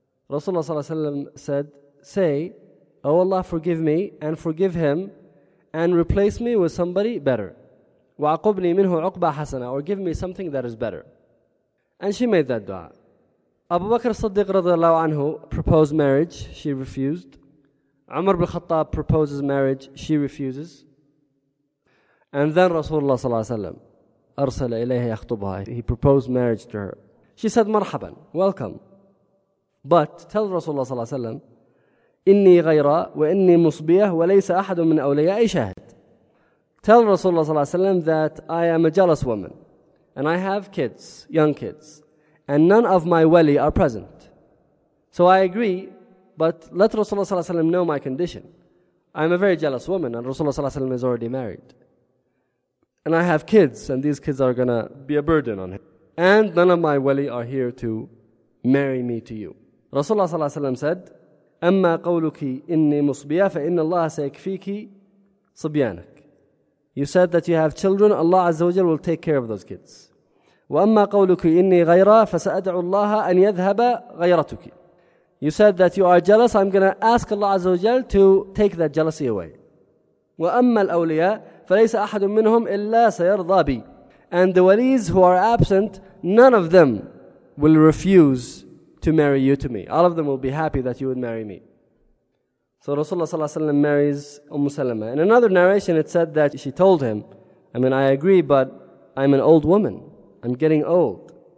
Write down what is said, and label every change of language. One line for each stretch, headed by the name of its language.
English: Rasulullah Sallallahu Alaihi Wasallam said, say, O Allah, forgive me and forgive him and replace me with somebody better.
Arabic: وَعَقُبْنِي مِنْهُ عُقْبَى حَسَنًا,
English: or give me something that is better. And she made that dua. Abu Bakr Siddiq radiallahu anhu proposed marriage. She refused. Umar bin Khattab proposes marriage. She refuses. And then
Arabic: Rasulullah صلى الله عليه وسلم أرسل إليها يخطبها.
English: He proposed marriage to her. She said,
Arabic: مرحبا,
English: welcome. But tell
Arabic: Rasulullah صلى الله عليه وسلم, إني غيراء وإني مصبية وليس أحد من أوليائي شاهد.
English: Tell Rasulullah
Arabic: صلى الله عليه وسلم
English: that I am a jealous woman. And I have kids, young kids. And none of my wali are present. So I agree, but let Rasulullah
Arabic: صلى الله عليه وسلم
English: know my condition. I'm a very jealous woman, and Rasulullah
Arabic: صلى الله عليه وسلم
English: is already married. And I have kids, and these kids are gonna be a burden on him. And none of my wali are here to marry me to you.
Arabic: Rasulullah صلى الله عليه وسلم
English: said,
Arabic: أما قولك إني مصبية فإن الله سيكفيك صبيانك.
English: You said that you have children, Allah
Arabic: عز وجل
English: will take care of those kids.
Arabic: وأما قولك إني غيرة فسأدعو الله أن يذهب غيرتك.
English: You said that you are jealous, I'm going to ask Allah
Arabic: عز وجل
English: to take that jealousy away.
Arabic: وأما الأولياء فليس أحد منهم إلا سيرضى بي.
English: And the walis who are absent, none of them will refuse to marry you to me. All of them will be happy that you would marry me. So Rasulullah
Arabic: صلى الله عليه وسلم
English: marries Umm Salama. In another narration it said that she told him, I mean, I agree, but I'm an old woman. I'm getting old.